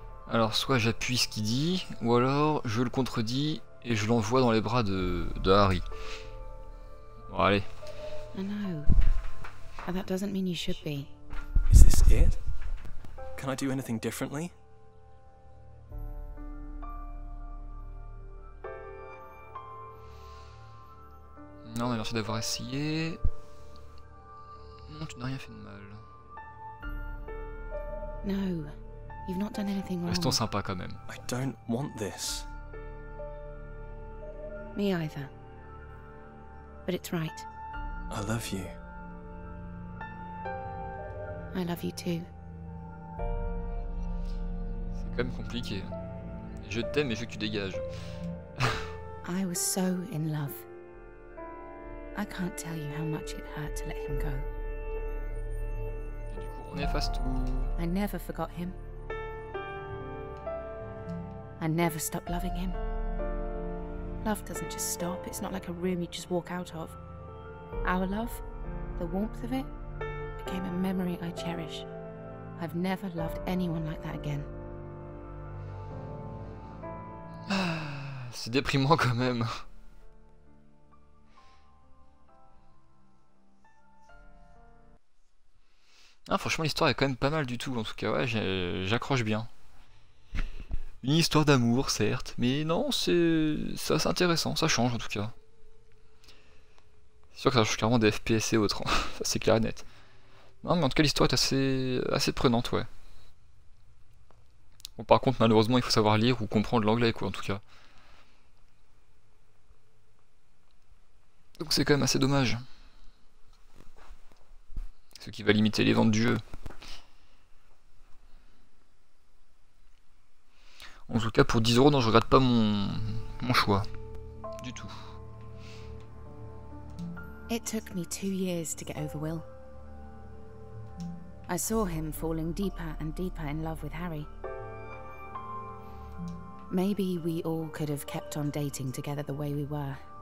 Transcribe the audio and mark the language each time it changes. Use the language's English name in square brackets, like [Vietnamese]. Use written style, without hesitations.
[French] Alors soit j'appuie ce qu'il dit, ou alors je le contredis et je l'envoie dans les bras de Harry. Bon allez. [English] I know. But that doesn't mean you should be. Is this it? Can I do anything differently? [French] Non, mais merci d'avoir essayé. Non, tu n'as rien fait de mal. [English] No, you've not done anything wrong. [French] Restons sympas quand même. [English] I don't want this. Me either. But it's right. I love you. I love you too. [French] C'est quand même compliqué. Je t'aime et je veux que tu dégages. [English] I was so in love. I can't tell you how much it hurt to let him go. [French] Et du coup, on efface tout. [English] I never forgot him. I never stopped loving him. Love doesn't just stop. It's not like a room you just walk out of. Our love, the warmth of it, became a memory I cherish. I've never loved anyone like that again. [French] C'est déprimant quand même. Ah, franchement, l'histoire est quand même pas mal du tout. En tout cas, ouais, j'accroche bien. Une histoire d'amour, certes, mais non, c'est assez intéressant. Ça change en tout cas. C'est sûr que ça change clairement des FPS et autres. Ça, c'est clair et net. Non, mais en tout cas, l'histoire est assez prenante, ouais. Bon, par contre, malheureusement, il faut savoir lire ou comprendre l'anglais, quoi, en tout cas. Donc, c'est quand même assez dommage. Ce qui va limiter les ventes du jeu. En tout cas, pour 10€, non, je regrette pas mon choix. Du tout. [English] It took me 2 years to get over Will. I saw him falling deeper and deeper in love with Harry. Maybe we all could have kept on dating together the way we were.